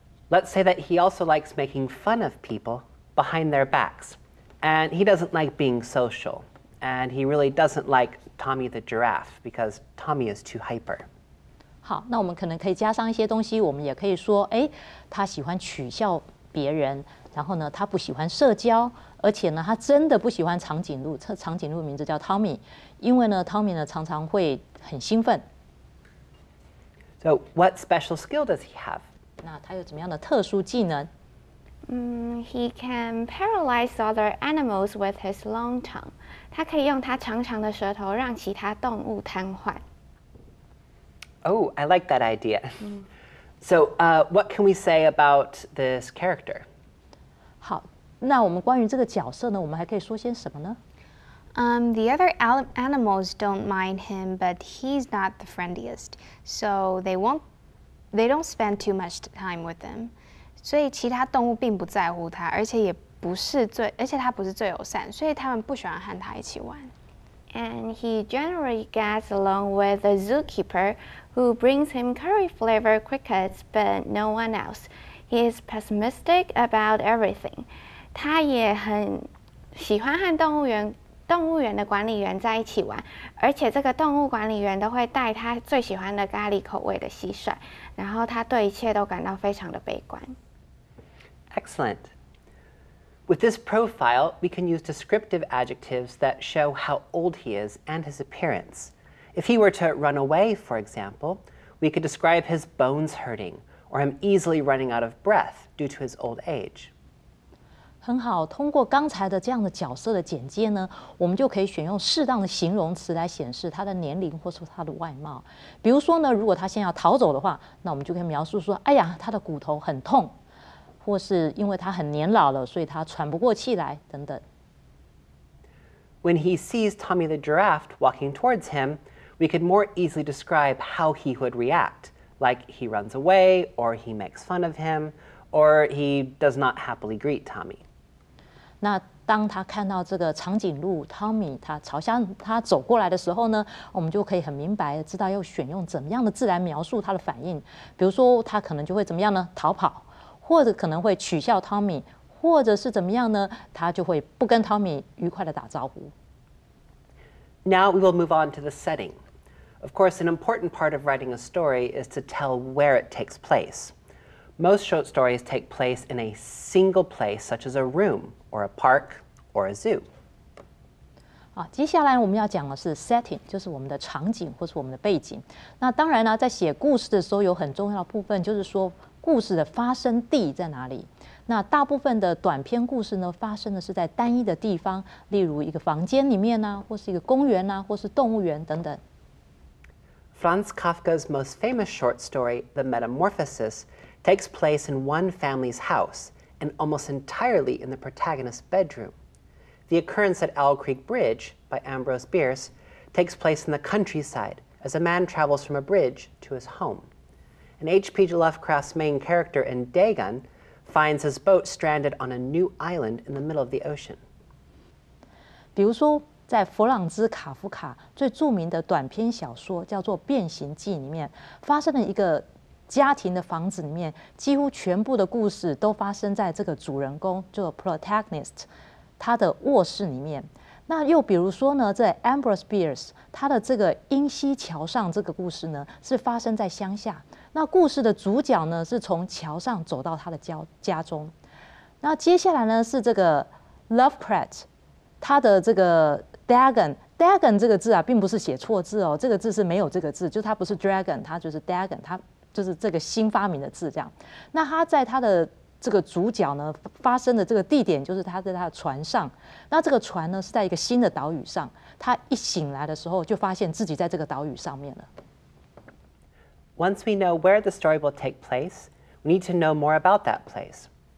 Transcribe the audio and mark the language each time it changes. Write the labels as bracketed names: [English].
[English] Let's say that he also likes making fun of people behind their backs. And he doesn't like being social. And he really doesn't like Tommy the giraffe because Tommy is too hyper. [Chinese] 好，那我们可能可以加上一些东西。我们也可以说，哎，他喜欢取笑别人。然后呢，他不喜欢社交。而且呢，他真的不喜欢长颈鹿。这长颈鹿的名字叫 Tommy， 因为呢 ，Tommy 呢常常会很兴奋。 [English] So what special skill does he have? [Chinese] 那他有怎么样的特殊技能？ [English] He can paralyze other animals with his long tongue. [Chinese] 他可以用他长长的舌头让其他动物瘫痪。 [English] Oh, I like that idea. So, what can we say about this character? [Chinese] 好，那我们关于这个角色呢，我们还可以说些什么呢？ [English] The other animals don't mind him, but he's not the friendliest, so they don't spend too much time with him. [Chinese] 所以其他动物并不在乎他，而且也不是最，而且他不是最友善，所以他们不喜欢和他一起玩。 [English] And he generally gets along with the zookeeper, who brings him curry flavored crickets, but no one else. He is pessimistic about everything. [Chinese] 他也很喜欢和动物园的管理员在一起玩，而且这个动物管理员都会带他最喜欢的咖喱口味的蟋蟀，然后他对一切都感到非常的悲观。 [English] Excellent. With this profile, we can use descriptive adjectives that show how old he is and his appearance. If he were to run away, for example, we could describe his bones hurting or him easily running out of breath due to his old age. [Chinese] 很好，通过刚才的这样的角色的简介呢，我们就可以选用适当的形容词来显示他的年龄或是他的外貌。比如说呢，如果他现在要逃走的话，那我们就可以描述说，哎呀，他的骨头很痛，或是因为他很年老了，所以他喘不过气来等等。 [English] When he sees Tommy the giraffe walking towards him, we could more easily describe how he would react, like he runs away, or he makes fun of him,or he does not happily greet Tommy. [Chinese] 那当他看到这个长颈鹿 Tommy 他朝向他走过来的时候呢，我们就可以很明白知道要选用怎么样的字来描述他的反应。比如说他可能就会怎么样呢？逃跑，或者可能会取笑 Tommy， 或者是怎么样呢？他就会不跟 Tommy 愉快的打招呼。 [English] Now we will move on to the setting. Of course, an important part of writing a story is to tell where it takes place. Most short stories take place in a single place, such as a room, or a park, or a zoo. [Chinese] 好，接下来我们要讲的是 setting, 就是我们的场景或是我们的背景。那当然呢，在写故事的时候有很重要的部分，就是说故事的发生地在哪里。那大部分的短篇故事呢，发生的是在单一的地方，例如一个房间里面啊，或是一个公园啊，或是动物园等等。 [English] Franz Kafka's most famous short story, The Metamorphosis,takes place in one family's house and almost entirely in the protagonist's bedroom. The occurrence at Owl Creek Bridge by Ambrose Bierce takes place in the countryside as a man travels from a bridge to his home. And H.P. Lovecraft's main character in Dagon finds his boat stranded on a new island in the middle of the ocean. [Chinese] 比如说在弗朗兹·卡夫卡最著名的短篇小说叫做《变形记》里面发生了一个家庭的房子里面几乎全部的故事都发生在这个主人公就 protagonist 他的卧室里面。那又比如说呢，在 Ambrose Bierce 他的这个英西桥上这个故事呢是发生在乡下，那故事的主角呢是从桥上走到他的家中。那接下来呢是这个 Lovecraft 他的这个 Dagon 这个字啊并不是写错字哦，这个字是没有这个字，就他不是 dragon， 他就是 Dagon， 他就是这个新发明的字这样。那他在他的这个主角呢发生的这个地点就是他在他的船上，那这个船呢是在一个新的岛屿上，他一醒来的时候就发现自己在这个岛屿上面了。 [English] Once we know where the story will take place, we need to know more about that place.